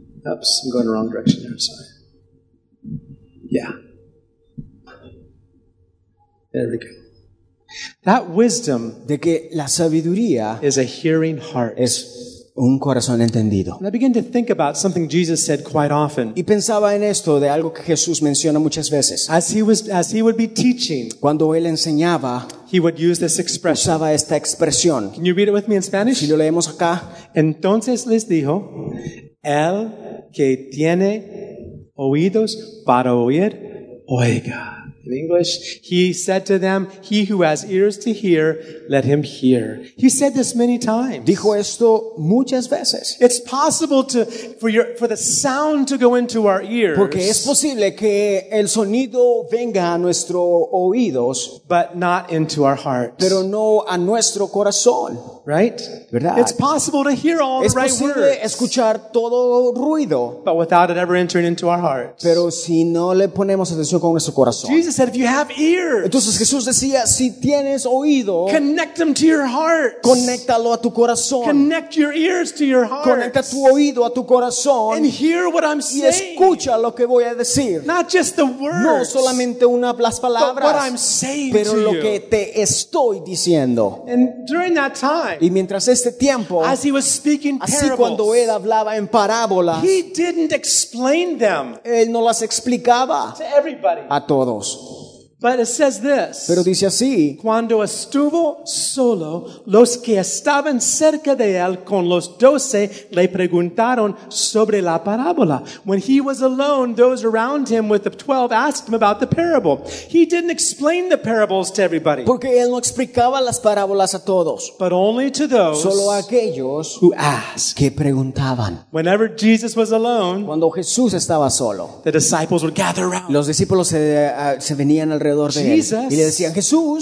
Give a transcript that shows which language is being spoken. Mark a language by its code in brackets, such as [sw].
[en] Oops, I'm going the wrong direction here, sorry. Yeah. There we go. That wisdom [es] de que la sabiduría [en] is a hearing heart. [es] Es un corazón entendido. [en] And I begin to think about something Jesus said quite often. [es] Y pensaba en esto de algo que Jesús menciona muchas veces. [en] As he would be teaching, [es] cuando él enseñaba, [en] he would use this expression. [es] Usaba esta expresión. [en] Can you read it with me in Spanish? [es] Si lo leemos acá. Entonces les dijo, el que tiene oídos para oír, oiga. [en] In English, he said to them, he who has ears to hear, let him hear. He said this many times. [es] Dijo esto muchas veces. [en] It's possible to for the sound to go into our ears. [es] Porque es posible que el sonido venga a nuestros oídos, [en] but not into our hearts. [es] Pero no a nuestro corazón. [en] Right? [es] ¿Verdad? [en] It's possible to hear all [es] es [en] the right [es] posible [en] words. [es] Escuchar todo ruido, [en] but without it ever entering into our hearts. [es] Pero si no le ponemos atención con nuestro corazón. [en] Jesus said, if you have ears, [es] entonces Jesús decía, si tienes oído, [en] connect them to your heart. [es] Conéctalo a tu corazón. [en] Connect your ears to your heart. [es] Conecta tu oído a tu corazón. [en] And hear what I'm saying. [es] Y escucha lo que voy a decir. [en] Not just the words. [es] No solamente las palabras. [en] But what I'm saying to [es] pero lo [en] you. [es] Que te estoy diciendo. [en] And during that time, [es] y mientras este tiempo, [en] as he was speaking [es] así [en] parables, [es] cuando él hablaba en parábolas, [en] he didn't explain them. [es] Él no las explicaba [en] to everybody. [es] A todos. [en] But it says this. Pero dice así. [es] Cuando estuvo solo, los que estaban cerca de él con los doce le preguntaron sobre la parábola. [en] When he was alone, those around him with the 12 asked him about the parable. He didn't explain the parables to everybody. [es] Porque él no explicaba las parábolas a todos. [en] But only to those [es] solo aquellos [en] who asked. [es] Que preguntaban. [en] Whenever Jesus was alone, [es] cuando Jesús estaba solo, [en] the disciples would gather around. [es] Los discípulos se venían alrededor. alrededor de él y le decían: Jesús,